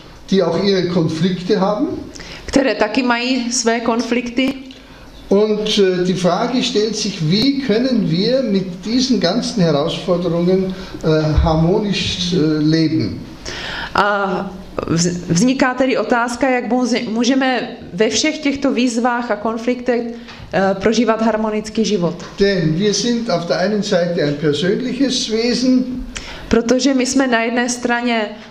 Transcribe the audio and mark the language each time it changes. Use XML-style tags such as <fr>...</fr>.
<de>Die auch ihre Konflikte haben.</de> <cs>Které taky mají své konflikty.</cs> <de>Und die Frage stellt sich, wie können wir mit diesen ganzen Herausforderungen harmonisch leben?</de> <cs>A vzniká tedy otázka, jak můžeme ve všech těchto výzvách a konfliktech prožívat harmonický život.</cs> <de>Denn wir sind auf der einen Seite ein persönliches Wesen.</de> <cs>Protože my jsme na jedné straně</cs>